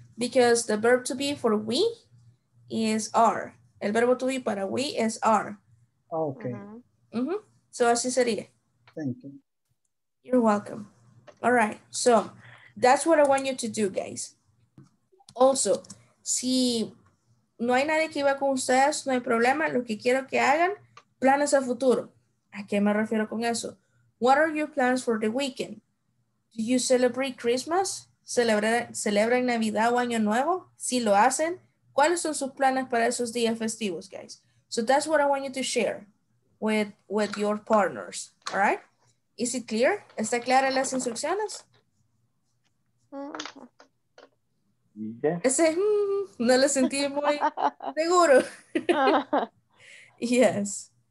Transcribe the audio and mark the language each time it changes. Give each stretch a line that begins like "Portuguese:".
English: Because the verb to be for we is are.
Spanish: El verbo to be para we is are.
English: Okay.
Spanish: Mm-hmm. So así sería.
English: Thank you. You're welcome. All right, so that's what I want you to do, guys.
Spanish: Also, si no hay nadie que iba con ustedes, no hay problema. Lo que quiero que hagan, planes a futuro. ¿A qué me refiero con eso?
English: What are your plans for the weekend? Do you celebrate Christmas?
Spanish: ¿Celebran Navidad o Año Nuevo? Si lo hacen, ¿cuáles son sus planes para esos días festivos, guys?
English: So that's what I want you to share with your partners, all right? Is it clear?
Spanish: ¿Está clara las instrucciones?
English: Yeah.
Spanish: Ese, no lo sentí muy seguro. Yes.